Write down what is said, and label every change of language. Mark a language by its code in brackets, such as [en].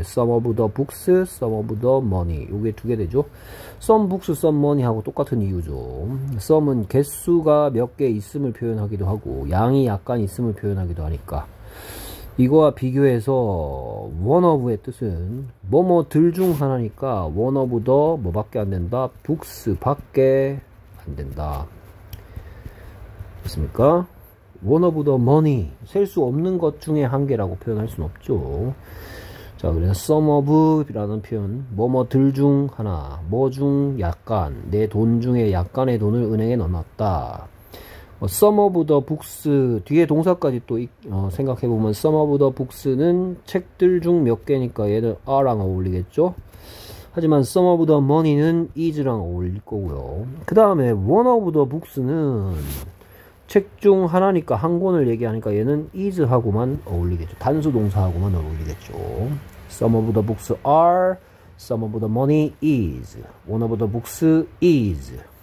[en] Some of the books, some of the money. [ko] 요게 두개 되죠? [en] Some books, some money [ko] 하고 똑같은 이유죠. Some은 개수가 몇개 있음을 표현하기도 하고, 양이 약간 있음을 표현하기도 하니까. 이거와 비교해서, one of의 뜻은, 뭐뭐들 중 하나니까, one of the 뭐밖에 안 된다? books 밖에 안 된다. 됐습니까? [en] One of the money. [ko] 셀수 없는 것 중에 한 개라고 표현할 순 없죠. 자, 그래서 some of라는 표현. 뭐뭐 들중 하나. 뭐중 약간. 내돈 중에 약간의 돈을 은행에 넣어놨다. [en] Some of the books. [ko] 뒤에 동사까지 또 생각해보면 some of the books는 책들 중몇 개니까 얘는 are랑 어울리겠죠? 하지만 some of the money는 is랑 어울릴 거고요. 그 다음에 one of the books는 책중 하나니까 한 권을 얘기하니까 얘는 is하고만 어울리겠죠. 단수 동사하고만 어울리겠죠. [en] Some of the books are, some of the money is, one of the books is.